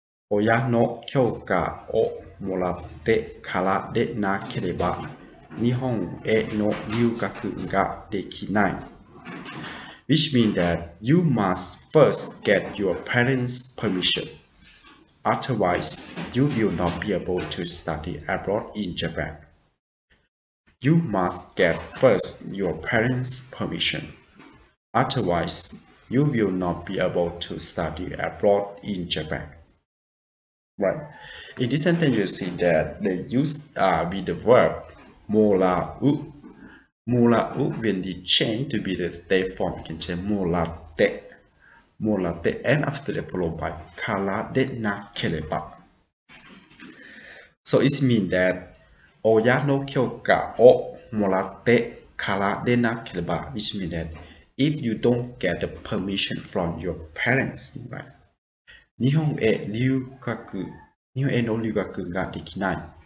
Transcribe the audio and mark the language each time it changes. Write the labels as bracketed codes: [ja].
[ja] 親の許可をもらってからでなければ日本への留学ができない。 [en] Which means that you must first get your parents' permission. Otherwise, you will not be able to study abroad in Japan. You must get first your parents' permission. Otherwise, you will not be able to study abroad in Japan. Right. In this sentence, you see that they use with the verb morau. Morau, when they change to be the te form, you can change morate. Morate, and after that, followed by karadenakereba. So it means that [ja] 親の許可をもらってからでなければ [en] which means that if you don't get the permission from your parents, right? [ja] 日本へ留学、日本への留学ができない。